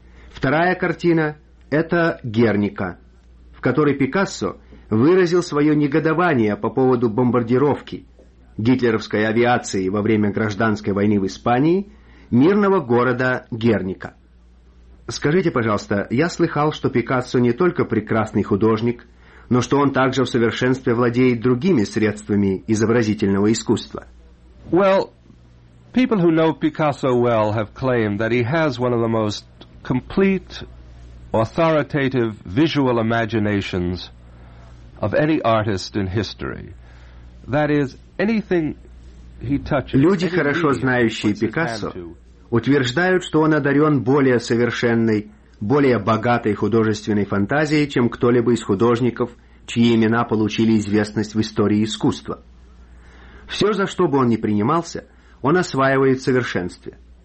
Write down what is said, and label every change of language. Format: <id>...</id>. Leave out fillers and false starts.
<ru>Вторая картина — это «Герника», в которой Пикассо выразил свое негодование по поводу бомбардировки гитлеровской авиации во время гражданской войны в Испании мирного города Герника. Скажите, пожалуйста, я слыхал, что Пикассо не только прекрасный художник, но что он также в совершенстве владеет другими средствами изобразительного искусства.</ru> <en>Well, people who know Picasso well have claimed that he has one of the most complete, authoritative visual imaginations of any artist in history. That is, anything he touches.</en> <ru>Люди, хорошо знающие Пикассо, утверждают, что он одарен более совершенной, более богатой художественной фантазией, чем кто-либо из художников, чьи имена получили известность в истории искусства. Все, за что бы он ни принимался, он осваивает в совершенстве.</ru>